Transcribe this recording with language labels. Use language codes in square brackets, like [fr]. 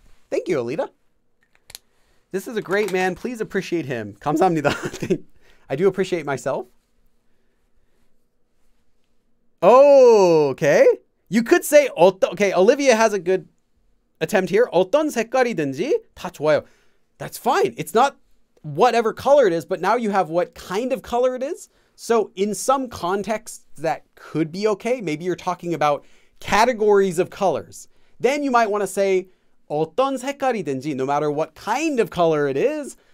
[en] Thank you, Alita. This is a great man. Please appreciate him. [ko] 감사합니다. [en] I do appreciate myself. Oh, okay. You could say, okay, Olivia has a good attempt here. [ko] 어떤 색깔이든지 다 좋아요. [en] That's fine. It's not whatever color it is, but now you have what kind of color it is. So in some context, that could be okay. Maybe you're talking about categories of colors. Then you might want to say, [ko] 어떤 색깔이든지, [en] no matter what kind of color it is.